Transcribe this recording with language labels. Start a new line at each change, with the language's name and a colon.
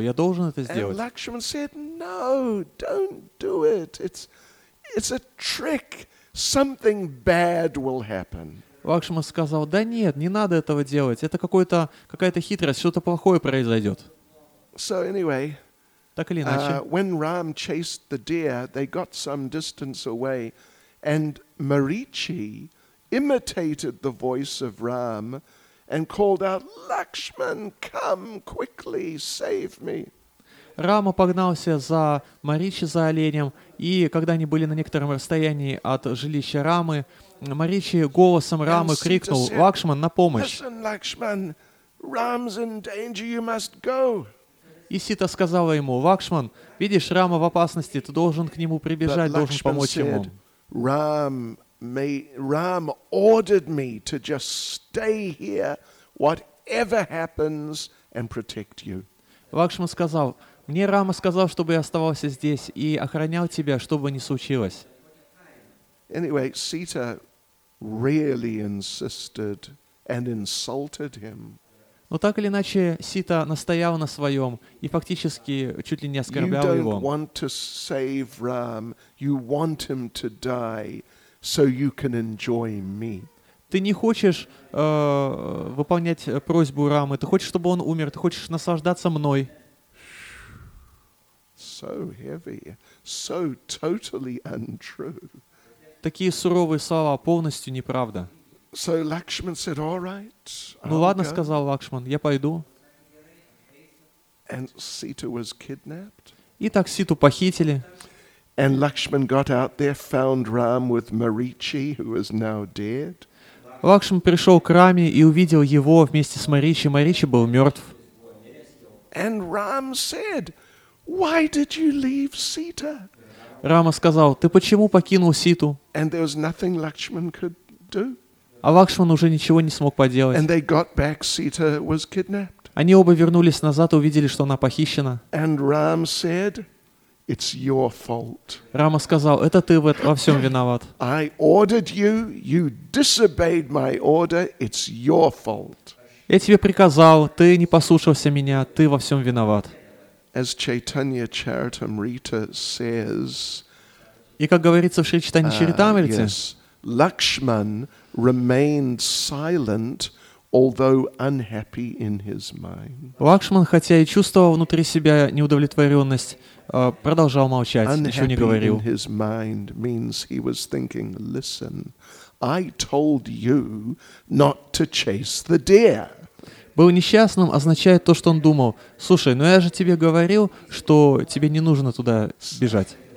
Russian: Я должен это сделать.
English: And Lakshman said, "No, don't do it. It's a trick. Something bad will happen."
Russian: Лакшман сказал, да нет, не надо этого делать. Это какая-то хитрость. Что-то плохое произойдет.
English: So anyway,
Russian: так или иначе,
English: when Ram chased the deer, they got some distance away, and Marichi imitated the voice of Ram and called out, Lakshman, come quickly, save me.
Russian: Рама погнался за Маричи, за оленем, и когда они были на некотором расстоянии от жилища Рамы, Маричи голосом Рамы крикнул, Лакшман, на помощь! И Сита сказала ему, Лакшман, видишь, Рама в опасности, ты должен к нему прибежать, должен помочь ему.
English: Рам ordered me to just stay here, whatever happens, and protect you.
Russian: Лакшман сказал, мне Рама сказал, чтобы я оставался здесь и охранял тебя, что бы ни случилось.
English: Anyway, Sita really insisted and insulted him.
Russian: Но так или иначе, Сита настояла на своем и фактически чуть ли не оскорбляла его.
English: You don't want to save Ram, you want him to die, so you can enjoy me.
Russian: Ты не хочешь выполнять просьбу Рамы, ты хочешь, чтобы он умер, ты хочешь наслаждаться мной.
English: So heavy, so totally untrue.
Russian: Такие суровые слова, полностью неправда.
English: So Lakshman said, "All right."
Russian: Ну ладно, сказал Лакшман, я пойду.
English: And Sita was kidnapped.
Russian: Итак, Ситу похитили.
English: And Lakshman got out there, found Ram with Marichi, who is now dead.
Russian: Лакшман пришел к Раме и увидел его вместе с Маричи. Маричи был мертв.
English: And Ram said. Why did you leave Sita?
Russian: Рама сказал, ты почему покинул Ситу?
English: And there was nothing Lakshman could do.
Russian: А Лакшман уже ничего не смог поделать.
English: And they got back, Sita was kidnapped.
Russian: Они оба вернулись назад и увидели, что она похищена.
English: And Ram said, it's your fault.
Russian: Рама сказал, это ты во всем виноват.
English: I ordered you, you disobeyed my order, it's your fault.
Russian: Я тебе приказал, ты не послушался меня, ты во всем виноват.
English: As Chaitanya Charitamrita says,
Russian: и как говорится в Шри Чайтанья Чаритамрите,
English: yes, Lakshman remained silent, although unhappy in his mind.
Russian: Лакшман, хотя и чувствовал внутри себя неудовлетворенность, продолжал молчать, ничего не говорил.
English: Unhappy in his mind means he was thinking, listen, I told you not to chase the deer.
Russian: Был несчастным означает то, что он думал. Слушай, ну я же тебе говорил, что тебе не нужно туда бежать.